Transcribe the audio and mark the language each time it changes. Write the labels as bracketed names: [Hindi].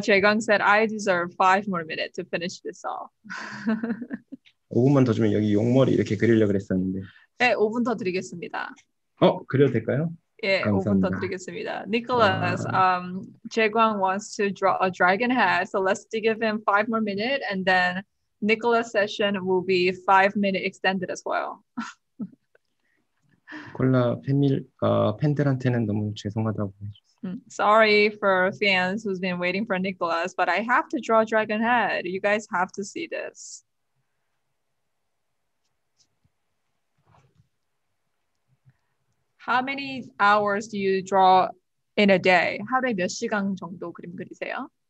[English] Jaegang said, I deserve 5 more minutes to finish this off. [Korean] 5분만 더 주면 여기 용머리 이렇게 그리려고 그랬었는데. 네, 5분 더 드리겠습니다. 그려도 될까요? 예, 감사합니다. 5분 더 드리겠습니다. [English] Nicholas, Jaegang wants to draw a dragon head, so let's give him 5 more minutes, and then Nicholas' session will be 5 minutes extended as well. [Korean] 콜라 팬들한테는 너무 죄송하다고 해주세요. [English] Sorry for fans who's been waiting for Nicholas, but I have to draw dragon head. You guys have to see this. How many hours do you draw in a day? [Korean] 하루에 몇 시간 정도 그림 그리세요?